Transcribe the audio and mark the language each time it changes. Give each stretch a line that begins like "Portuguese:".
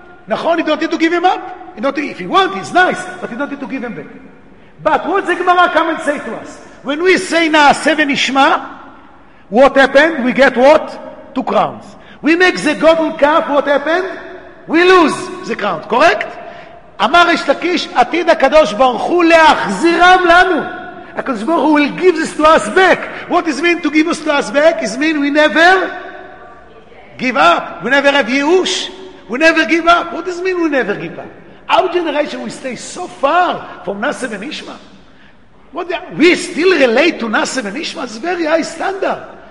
English: Nachon, you don't need to give him up. You don't need, if you want, it's nice, but you don't need to give him back. But what the Gemara come and say to us? When we say Na'aseh v'nishma, what happened? We get what? Two crowns. We make the golden calf, what happened? We lose the crown, correct?
Hebrew: אמר יש לקיש, עתיד הקדוש ברוך הוא להחזירם לנו.
English: הקדוש ברוך הוא will give this to us back. What does it mean to give us to us back? It means we never give up. We never have ייאוש. We never give up. What does it mean we never give up? Our generation will stay so far from נעשה ונשמע. We still relate to נעשה ונשמע. It's very high standard.